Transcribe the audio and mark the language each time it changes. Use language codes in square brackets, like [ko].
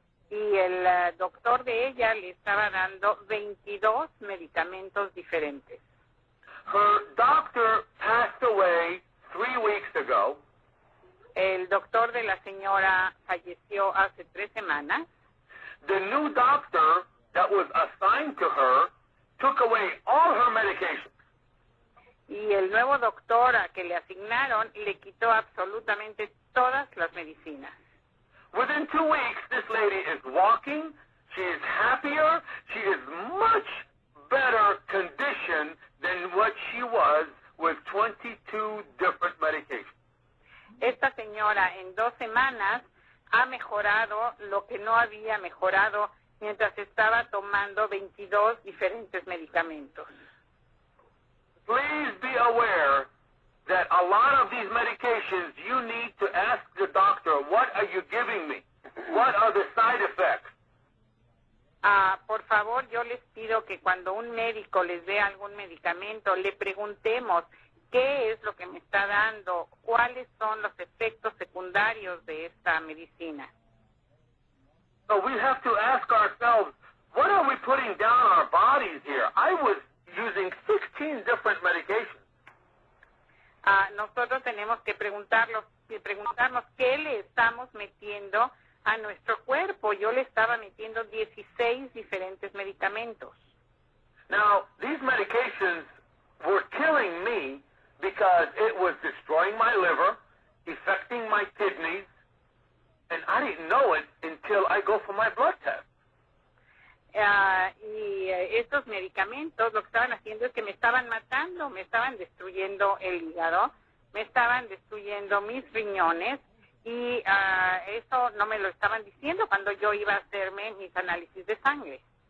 [es] Y el doctor de ella le estaba dando 22 medicamentos diferentes. [en] Her doctor passed away 3 weeks ago. [es] El doctor de la señora falleció hace 3 semanas. [en] The new doctor that was assigned to her took away all her medications. [es] Y el nuevo doctor a que le asignaron le quitó absolutamente todas las medicinas. [en] Within 2 weeks, this lady is walking. She is happier. She is much better condition than what she was with 22 different medications. [es] Esta señora en 2 semanas ha mejorado lo que no había mejorado mientras estaba tomando 22 diferentes medicamentos. [en] Please be aware that a lot of these medications, you need to ask the doctor, what are you giving me? What are the side effects? [es] Por favor, yo les pido que cuando un médico les dé algún medicamento, le preguntemos qué es lo que me está dando, cuáles son los efectos secundarios de esta medicina. [en] So we have to ask ourselves, what are we putting down our bodies here? I was using 16 different medications. [es] Nosotros tenemos que preguntarnos qué le estamos metiendo a nuestro cuerpo. Yo le estaba metiendo 16 diferentes medicamentos. [en] Now, these medications were killing me because it was destroying my liver, affecting my kidneys, and I didn't know it until I go for my blood test. [es] Y estos medicamentos lo que estaban haciendo es que me estaban matando, me estaban destruyendo el hígado, me estaban destruyendo mis riñones y eso no me lo estaban diciendo cuando yo iba a hacerme mis análisis de sangre.